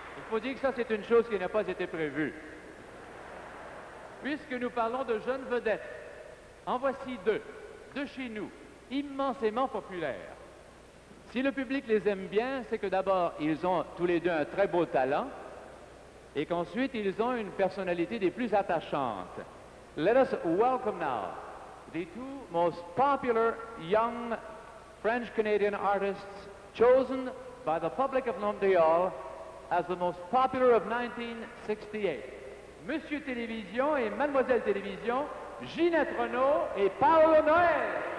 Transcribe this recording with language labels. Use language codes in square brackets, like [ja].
[fr] faut dire que ça, c'est une chose qui n'a pas été prévue. Puisque nous parlons de jeunes vedettes, en voici deux, de chez nous, immensément populaires. Si le public les aime bien, c'est que d'abord, ils ont tous les deux un très beau talent, et qu'ensuite, ils ont une personnalité des plus attachantes. [en] Let us welcome now the two most popular young French-Canadian artists chosen by the public of Montreal as the most popular of 1968. [fr] Monsieur Télévision et Mademoiselle Télévision, Ginette Renault et Paolo Noël.